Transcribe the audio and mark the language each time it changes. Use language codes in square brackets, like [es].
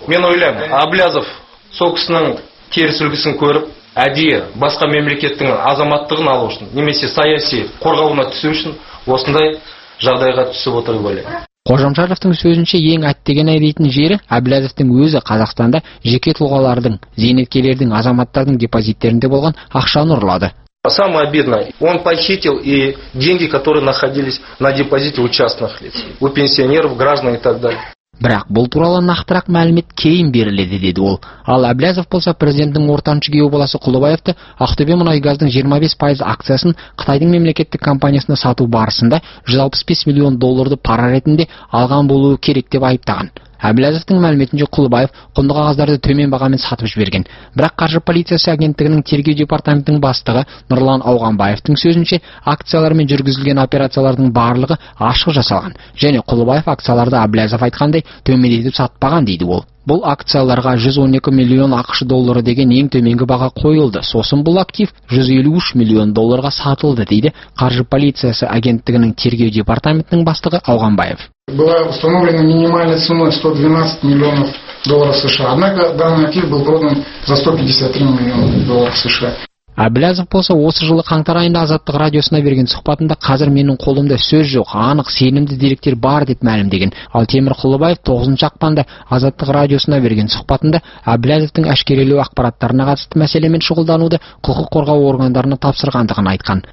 [kk] Мен ойлаймын, Әблязов сол кісінің теріс үлгісін көріп, әдейі басқа мемлекеттің азаматтығын алу үшін немесе саяси қорғауына түсу үшін осындай жағдайға түсіп отыр деп ойлаймын. Қожамжаровтың сөзінше, ең әттеген әйдейтін жері Әблязовтың өзі Қазақстанда жеке тұлғалардың, зейнеткерлердің, азаматтардың депозиттерінде болған ақшаны ұрлады. [ru] Самое обидное, он похитил и деньги, которые находились на депозите у частных лиц, у пенсионеров, граждан и так далее. [kk] Бірақ бұл туралы нақтырақ мәлімет кейін беріледі, деді ол. Ал Әблязов болса, президенттің ортаншы күйеу баласы Құлыбаевты Ақтөбе мұнайгаздың 25% акциясын Қытайдың мемлекеттік компаниясына сату барысында 165 миллион долларды пара ретінде алған болуы керек деп айыптаған. Әблязовтың мәліметінше Құлыбаев құнды қағаздарды төмен бағамен сатып жіберген. Бірақ қаржы полициясы агенттігінің тергеу департаментінің бастығы Нұрлан Ауғанбаевтың сөзінше, акциялармен жүргізілген операциялардың барлығы ашық жасалған және Құлыбаев акцияларды Әблязов айтқандай төмендетіп сатпаған, дейді ол. Бұл акцияларға 112 миллион ақш доллары деген ең төменгі баға қойылды. Сосын бұл актив 153 миллион долларға сатылды, дейді қаржы полициясы агенттігінің тергеу департаментінің бастығы Ауғанбаев. [ru] Была установлена минимальная цена 112 миллионов долларов США. Однако данный актив был продан за 153 миллиона долларов США. [kk] Әблязов болса, осы жылы қаңтар айында Азаттық радиосына берген сұхбатында қазір менің қолымда сөз жоқ, анық сенімді деректер бар деп мәлімдеген. Ал Темір Құлыбаев 9 ақпанда Азаттық радиосына берген сұхбатында Әблязовтың әшкерелеу ақпараттарына қатысты мәселемен шұғылдануды құқық қорғау органдарына тапсырғандығын айтқан.